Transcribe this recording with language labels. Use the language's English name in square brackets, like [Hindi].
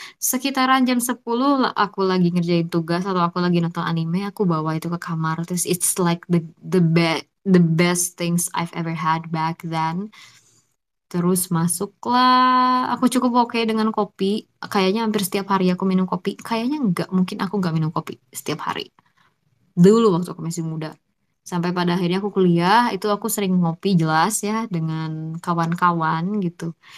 [Indonesian] Sekitaran jam 10, aku lagi ngerjain tugas atau aku lagi nonton anime, aku bawa itu ke kamar. [English] Terus it's like the best things I've ever had back then. [Indonesian] Terus masuklah, aku cukup oke dengan kopi. Kayaknya hampir setiap hari aku minum kopi. Kayaknya enggak, mungkin aku enggak minum kopi setiap hari. Dulu waktu aku masih muda. Sampai pada akhirnya aku kuliah, itu aku sering ngopi jelas ya dengan kawan-kawan gitu.